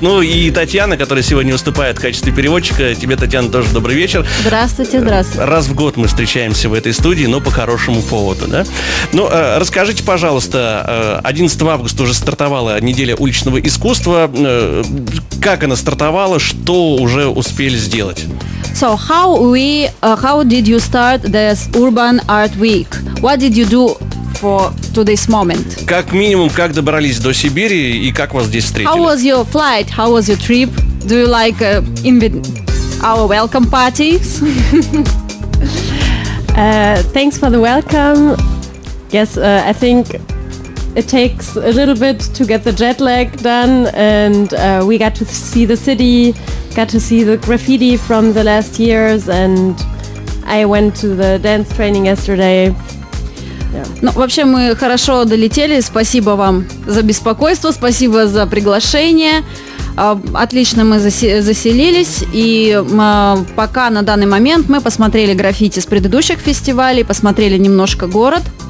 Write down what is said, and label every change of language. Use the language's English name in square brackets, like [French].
[Russian] Ну и Татьяна, которая сегодня выступает в качестве переводчика. Тебе, Татьяна, тоже добрый вечер. Здравствуйте, здравствуйте. Раз в год мы встречаемся в этой студии, но по хорошему поводу, да? Ну, расскажите, пожалуйста, 11 августа уже стартовала неделя уличного искусства. Как она стартовала, что уже успели сделать? [English] So, how did you start this Urban Art Week? What did you do to this moment? [Russian] Как минимум, как добрались до Сибири и как вас здесь встретили? [English] How was your flight? How was your trip? Do you like our welcome parties? Thanks for the welcome. Yes, I think it takes a little bit to get the jet lag done, and we got to see the city, got to see the graffiti from the last years, and I went to the dance training yesterday. Yeah. [Russian] Ну, вообще, мы хорошо долетели. Спасибо вам за беспокойство, спасибо за приглашение. Отлично мы заселились, и пока на данный момент мы посмотрели граффити с предыдущих фестивалей, посмотрели немножко город.